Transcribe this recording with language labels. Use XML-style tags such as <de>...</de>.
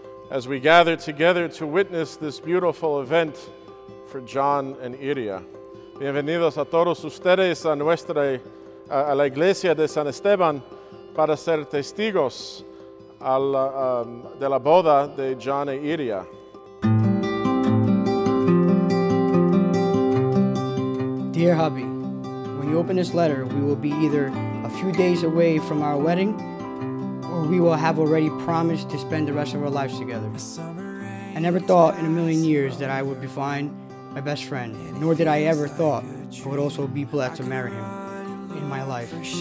<en>as we gather together to witness this beautiful event for John and Iria.</en> <es>Bienvenidos a todos ustedes a nuestra a la iglesia de San Esteban para ser testigos de la boda de John e Iria.</es> <en>Dear hubby, when you open this letter, we will be either a few days away from our wedding, or we will have already promised to spend the rest of our lives together. I never thought in a million years that I would find my best friend, nor did I ever thought I would also be blessed to marry him in my life.</en>